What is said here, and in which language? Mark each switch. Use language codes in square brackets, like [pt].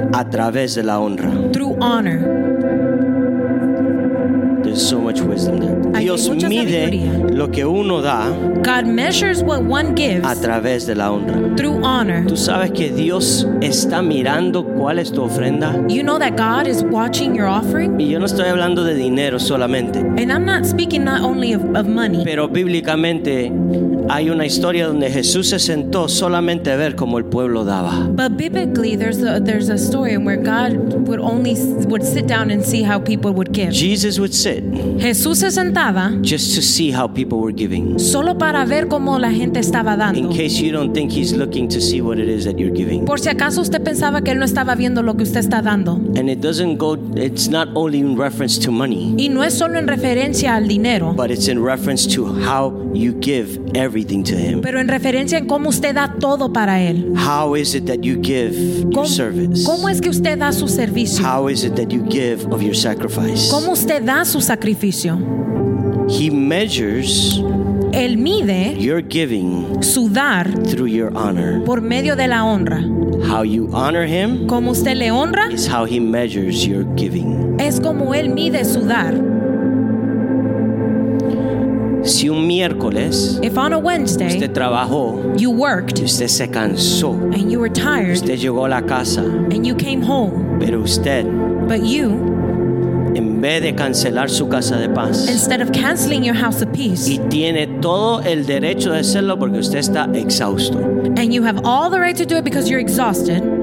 [es] A través de la honra. [en] Through honor. There's so much wisdom there. [es] Dios mide lo que uno da. [en] God measures what one gives. [es] A través de la honra. [en] Through honor. [es] ¿Tú sabes que Dios está mirando cuál es tu ofrenda? [en] You know that God is watching your offering? [es] Y yo no estoy hablando de dinero solamente. [en] And I'm not speaking not only of money. [es] Pero bíblicamente hay una historia donde Jesús se sentó solamente a ver cómo el pueblo daba. [en] But biblically, there's a story where God would sit down and see how people would give. Jesus would sit. [es] Jesús se sentaba. [en] Just to see how people were giving. [es] Solo para ver cómo la gente estaba dando. [en] In case you don't think he's looking to see what it is that you're giving. [es] Por si acaso usted pensaba que él no estaba viendo lo que usted está dando. [en] And it doesn't go. It's not only in reference to money. [es] Y no es solo en referencia al dinero. [en] But it's in reference to how you give everything. Everything to him. [es] Pero en referencia en cómo usted da todo para él. [en] How is it that you give your service? [es] ¿Cómo es que usted da su servicio? [en] How is it that you give of your sacrifice? [es] ¿Cómo usted da su sacrificio? [en] He measures. [es] Él mide. [en] Your giving. [es] Su dar. [en] Through your honor. [es] Por medio de la honra. [en] How you honor him. [es] ¿Cómo usted le honra? [en] Is how he measures your giving. [es] Es como él mide su dar. Si un miércoles, [en] if on a Wednesday, [es] usted trabajó, [en] you worked, [es] usted se cansó, [en] and you were tired, [es] usted llegó a la casa, [en] and you came home, [es] pero usted, [en] but you, [es] en vez de cancelar su casa de paz, [en] instead of canceling your house of peace, [es] y tiene todo el derecho de hacerlo porque usted está exhausto, [en] and you have all the right to do it because you're exhausted,